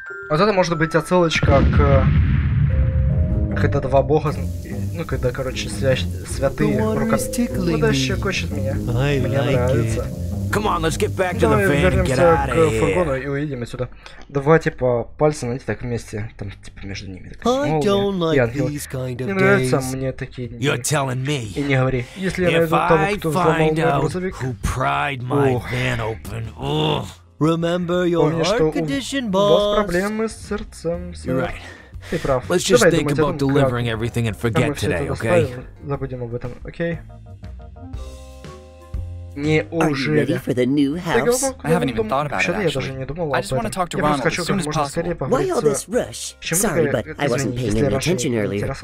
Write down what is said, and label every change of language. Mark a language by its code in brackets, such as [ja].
[ru] Вот это может быть отсылочка к когда два бога, ну когда, короче, святые рукоятки. Ну да, щекочет меня. Мне нравится. [en] Come on, let's get back to the van and get out of here. [ru] Давай вернемся к фургону и уедем отсюда. Два типа пальца, знаете, так вместе, там типа между ними. Так, молния, и ангел. Не нравятся мне такие дни. [en] You're telling me. [ru] И не говори. Если я найду того, кто взломал мой грузовик. [en] Who pried my van open. Remember your heart condition, boss. [ru] У вас проблемы с сердцем, сэр. Ты прав. [en] Let's just think about delivering everything and forget today, okay? [ru] Забудем об этом, окей? Не ужели. [en] I haven't even thought about it, actually. I just want to talk to Ronald as soon as possible. Why all this rush? Sorry, but I wasn't paying any attention earlier.